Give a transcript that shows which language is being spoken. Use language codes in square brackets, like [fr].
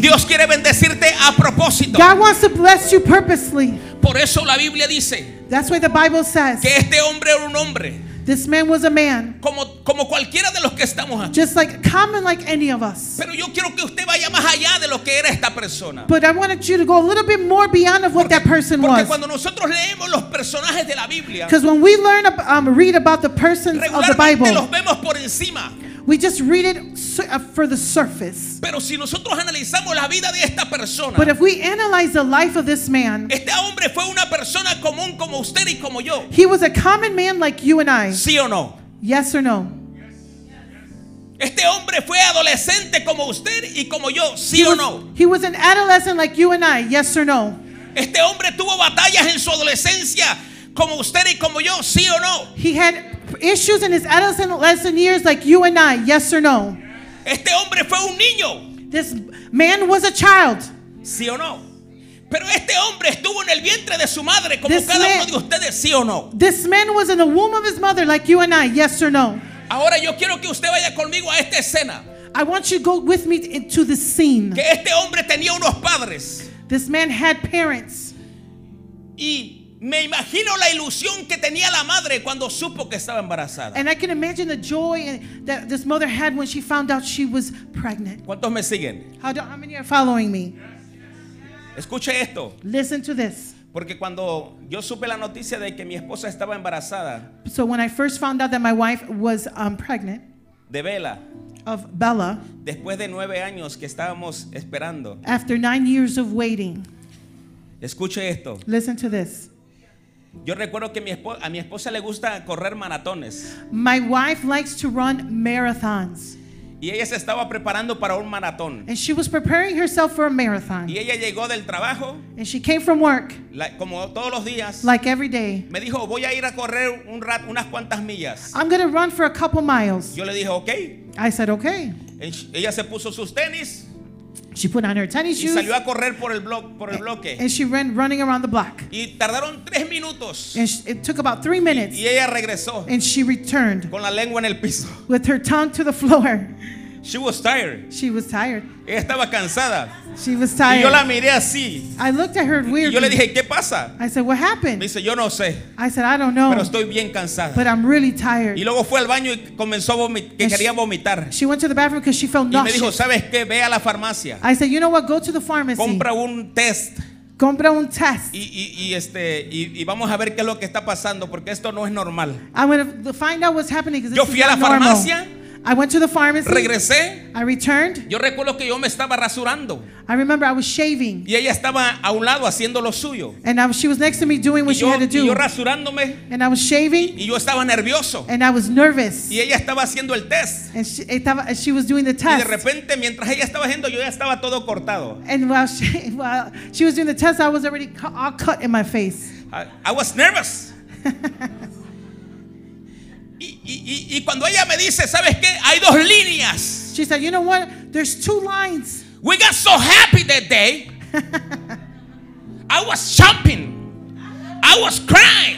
[es] Dios quiere bendecirte a propósito. [en] God wants to bless you purposely. [es] Por eso la Biblia dice, [en] that's why the Bible says, [es] que este hombre era un hombre. [en] This man was a man. [es] Como cualquiera de los que estamos aquí. [en] Just like common like any of us. [es] Pero yo quiero que usted vaya más allá de lo que era esta persona. [en] But I wanted you to go a little bit more beyond of what [es] porque, [en] that person [es] porque [en] was. [es] Porque cuando nosotros leemos los personajes de la Biblia, [en] because when we learn read about the persons of the Bible, [es] los vemos por encima. [en] We just read it for the surface. [es] Pero si nosotros analizamos la vida de esta persona, [en] but if we analyze the life of this man, [es] este hombre fue una persona común como usted y como yo. [en] He was a common man like you and I. [es] ¿Sí o no? [en] Yes or no? [es] Este hombre fue adolescente como usted y como yo. ¿Sí o no? [en] He was an adolescent like you and I. Yes or no? [es] Este hombre tuvo batallas en su adolescencia como usted y como yo. ¿Sí o no? [en] He had issues in his adolescent years like you and I. Yes or no? [es] Este hombre fue un niño. [en] This man was a child. [es] ¿Sí o no? Pero este hombre estuvo en el vientre de su madre como this cada man, uno de ustedes. ¿Sí o no? [en] This man was in the womb of his mother like you and I. Yes or no? [es] Ahora yo quiero que usted vaya conmigo a esta escena. [en] I want you to go with me into the scene. [es] Que este hombre tenía unos padres. [en] This man had parents. [es] Y me imagino la ilusión que tenía la madre cuando supo que estaba embarazada. [en] And I can imagine the joy that this mother had when she found out she was pregnant. [es] ¿Cuántos me siguen? [en] How many are following me? [es] Escuche esto. [en] Listen to this. [es] Porque cuando yo supe la noticia de que mi esposa estaba embarazada. [en] So when I first found out that my wife was pregnant. [es] De Bella. [en] Of Bella. [es] Después de 9 años que estábamos esperando. [en] After 9 years of waiting. [es] Escuche esto. [en] Listen to this. [es] Yo recuerdo que a mi esposa le gusta correr maratones. [en] My wife likes to run marathons. [es] Y ella se estaba preparando para un maratón. [en] And she was preparing herself for a marathon. [es] Y ella llegó del trabajo. [en] And she came from work. [es] Como todos los días. [en] Like every day. [es] Me dijo, voy a ir a correr un rato, unas cuantas millas. [en] I'm going to run for a couple miles. [es] Yo le dije, okay. [en] I said, okay. [es] Ella se puso sus tenis. [en] She put on her tennis shoes. [es] Y salió a correr por el bloque. [en] And she ran running around the block. [es] Y tardaron 3 minutos. [en] And it took about 3 minutes. [es] Y ella regresó. [en] And she returned. [es] Con la lengua en el piso. [en] With her tongue to the floor. She was tired. She was tired. [es] Ella estaba cansada. [en] She was tired. [es] Y yo la miré así. [en] I looked at her weirdly. [es] Y yo le dije, ¿qué pasa? [en] I said, what happened? [es] Me dice, yo no sé. [en] I said, I don't know. [es] Pero estoy bien cansada. [en] But I'm really tired. [es] Y luego fue al baño y comenzó a vomitar, que quería vomitar. [en] She went to the bathroom because she felt nauseous. [es] Y me dijo, ¿sabes qué? Ve a la farmacia. [en] I said, you know what? Go to the pharmacy. [es] Compra un test. Compra un test. Y vamos a ver qué es lo que está pasando porque esto no es normal. [en] I'm going to find out what's happening because [es] yo fui a la farmacia. [en] I went to the pharmacy. [es] Regresé. [en] I returned. [es] Yo recuerdo que yo me estaba rasurando. [en] I remember I was shaving. [es] Y ella estaba a un lado haciendo lo suyo. [en] And she was next to me doing what [es] yo, [en] she had to do. [es] Y yo rasurándome. [en] And I was shaving. [es] Y yo estaba nervioso. [en] And I was nervous. [es] Y ella estaba haciendo el test. [en] And she was doing the test. [es] Y de repente, mientras ella estaba haciendo, yo ya estaba todo cortado. [en] And while she was doing the test, I was already all cut in my face. I was nervous. [es] Y cuando ella me dice, ¿sabes qué? Hay dos líneas. [en] She said, you know what? There's two lines. We got so happy that day. I was jumping. I was crying.